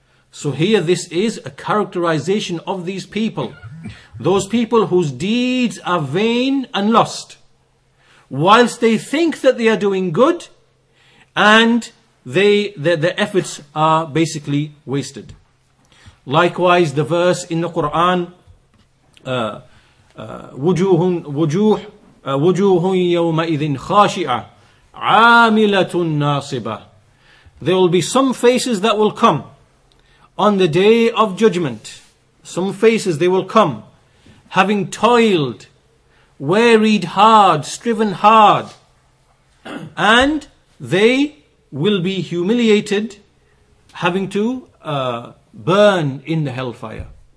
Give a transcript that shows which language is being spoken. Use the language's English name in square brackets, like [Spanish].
[English] So here this is a characterization of these people. Those people whose deeds are vain and lost, whilst they think that they are doing good, and their efforts are basically wasted. Likewise, the verse in the Quran, [Arabic] وجوه يومئذ خاشعة عاملة ناصبة. [English] There will be some faces that will come on the day of judgment. Some faces, they will come having toiled, wearied hard, striven hard, and they will be humiliated, having to burn in the hellfire.